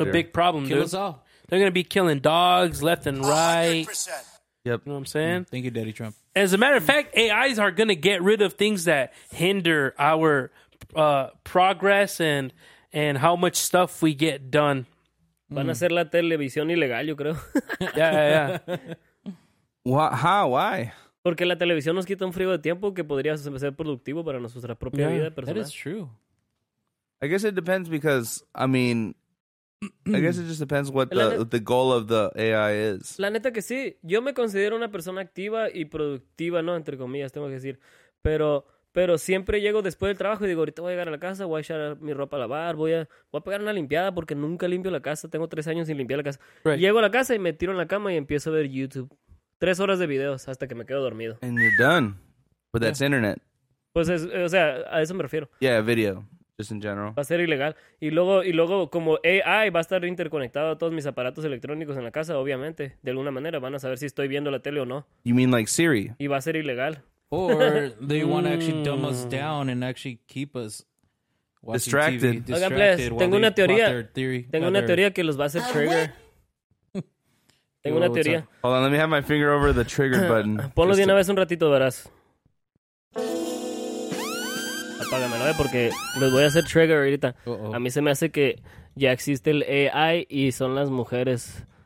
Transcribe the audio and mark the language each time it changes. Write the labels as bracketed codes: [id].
[en] A big problem, kill dude. Kill us all. They're going to be killing dogs left and right. 100%. Yep. You know what I'm saying? Thank you, Daddy Trump. As a matter of fact, AIs are going to get rid of things that hinder our progress and how much stuff we get done. [es] Van a hacer la televisión ilegal, yo creo. [en] Yeah. Why? [es] Porque la televisión nos quita un frío de tiempo que podría ser productivo para nuestra propia vida personal. [en] That is true. I guess it depends because, I mean, I guess it just depends what the goal of the AI is. [es] La neta que sí. Yo me considero una persona activa y productiva, ¿no? Entre comillas, tengo que decir. Pero siempre llego después del trabajo y digo, ahorita voy a llegar a la casa, voy a echar mi ropa a lavar, voy a pegar una limpiada porque nunca limpio la casa. Tengo 3 años sin limpiar la casa. [en] Right. [es] Llego a la casa y me tiro en la cama y empiezo a ver YouTube. 3 horas de videos hasta que me quedo dormido. [en] And you're done. But that's internet. [es] Pues, a eso me refiero. [en] Yeah, video. Just in general. [es] Va a ser ilegal. Y luego, como AI va a estar interconectado a todos mis aparatos electrónicos en la casa, obviamente. De alguna manera van a saber si estoy viendo la tele o no. [en] You mean like Siri? [es] Y va a ser ilegal. [en] Or they want to actually dumb us down and actually keep us watching distracted. TV. [es] Oigan, please, tengo una teoría. Tengo una teoría que los va a hacer trigger. Tengo una teoría. [en] Hold on, let me have my finger over the trigger button. [es] Ponlo de una vez un ratito, verás. Apágamelo, porque les voy a hacer trigger ahorita. Uh-oh. A mí se me hace que ya existe el AI y son las mujeres.